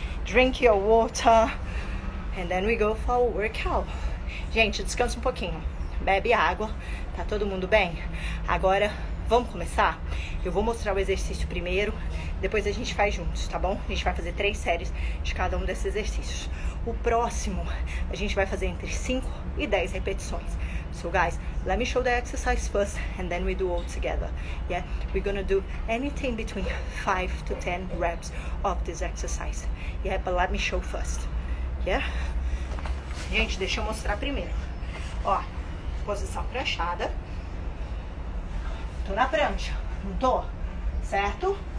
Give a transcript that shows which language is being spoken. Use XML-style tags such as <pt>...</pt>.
<en>drink your water, and then we go for a workout.</en> <pt>Gente, descansa um pouquinho, bebe água, tá todo mundo bem? Agora, vamos começar? Eu vou mostrar o exercício primeiro, depois a gente faz juntos, tá bom? A gente vai fazer 3 séries de cada um desses exercícios. O próximo, a gente vai fazer entre 5 e 10 repetições.</pt> <en>So guys, let me show the exercise first, and then we do all together. Yeah, we're gonna do anything between 5 to 10 reps of this exercise. Yeah, but let me show first. Yeah?</en> <pt>Gente, deixa eu mostrar primeiro. Ó, posição pranchada. Tô na prancha, não tô? Certo?</pt>